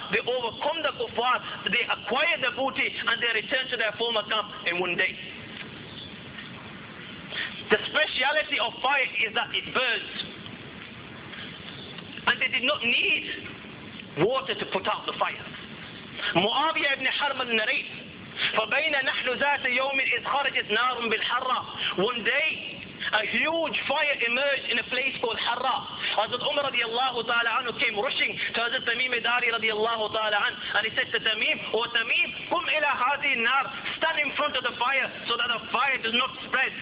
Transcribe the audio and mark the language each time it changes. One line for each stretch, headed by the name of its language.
English: They overcome the kuffar. They acquire the booty and they return to their former camp in one day. The speciality of fire is that it burns, and they did not need water to put out the fire. Muawiyah ibn Harb al-Narif
Arabic: فبين نحن ذات يوم إذ خرجت نار بالحرة.
English: One day, a huge fire emerged in a place called Harra. Hazrat Umar radiallahu ta'ala anhu came rushing to Hazrat Tamim Idari radiallahu ta'ala anhu, and he said to Tamim, "O Tamim,
Arabic: kum ila hadhi nar,
English: stand in front of the fire so that the fire does not spread."